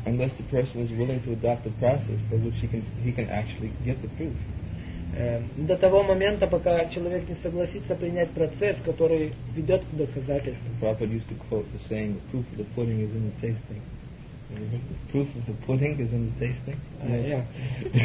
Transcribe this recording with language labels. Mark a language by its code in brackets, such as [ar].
[en] Unless the person is willing to adopt the process by which he can actually get the proof. [ru] До того момента, пока человек не согласится принять процесс, который ведет к доказательству. [en] Prabhupada used to quote the saying, the proof of the pudding is in the tasting. The proof of the pudding is in the tasting.